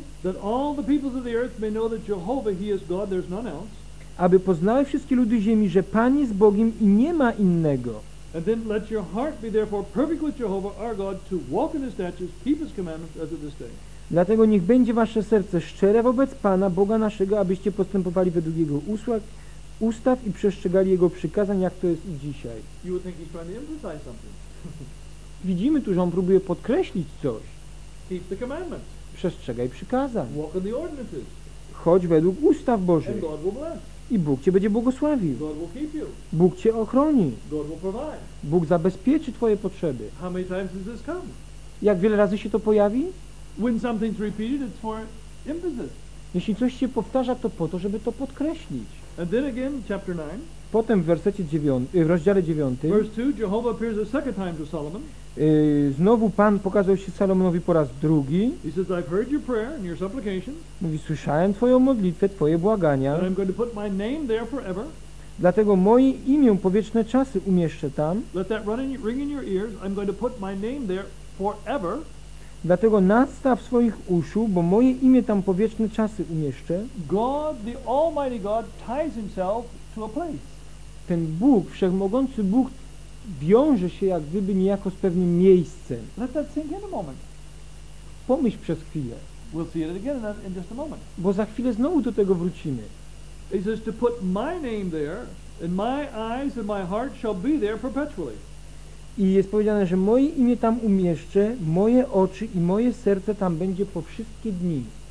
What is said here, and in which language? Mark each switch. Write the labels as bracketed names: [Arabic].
[English] That all the peoples of the earth may know that Jehovah, He is God, there's none else. [Polish] Aby poznały wszystkie ludy ziemi, że Pan jest Bogiem i nie ma innego. [English] And then let your heart be therefore perfect with Jehovah our God to walk in His statutes, keep His commandments as of this day. [Polish] Dlatego niech będzie wasze serce szczere wobec Pana, Boga naszego, abyście postępowali według Jego ustaw i przestrzegali Jego przykazań, jak to jest i dzisiaj. [English] You would think he's trying to emphasize something. [Polish] Widzimy tu, że on próbuje podkreślić coś. [English] Keep the commandments. [Polish] Przestrzegaj przykazań. [English] Walk in the ordinances. [Polish] Chodź według ustaw Bożych. [English] And God will bless. [Polish] I Bóg Cię będzie błogosławił. [English] God will keep you. [Polish] Bóg Cię ochroni. [English] God will provide. [Polish] Bóg zabezpieczy Twoje potrzeby. [English] How many times does this come? [Polish] Jak wiele razy się to pojawi? [English] When something's repeated, it's for emphasis. [Polish] Jeśli coś się powtarza, to po to, żeby to podkreślić. [English] And then again, chapter 9. [Polish] Potem w wersecie 9, w rozdziale 9. [English] Verse 2, Jehovah appears a second time to Solomon. [Polish] Znowu Pan pokazał się Salomonowi po raz drugi. [English] He says, I've heard your prayer and your supplication. [Polish] Mówi, słyszałem Twoją modlitwę, Twoje błagania. [English] And I'm going to put my name there forever. [Polish] Dlatego moje imię po wieczne czasy umieszczę tam. [English] Let that ring in your ears. I'm going to put my name there forever. [Polish] Dlatego nadstaw swoich uszu, bo moje imię tam po wieczne czasy umieszczę. [English] God, the Almighty God, ties himself to a place. [Polish] Ten Bóg, Wszechmogący Bóg, wiąże się jak gdyby niejako z pewnym miejscem. [English] Let that sink in a moment. [Polish] Pomyśl przez chwilę. [English] We'll see it again in just a moment. [Polish] Bo za chwilę znowu do tego wrócimy. [English] He says to put my name there and my eyes and my heart shall be there perpetually. [Polish] I jest powiedziane, że moje imię tam umieszczę, moje oczy i moje serce tam będzie po wszystkie dni.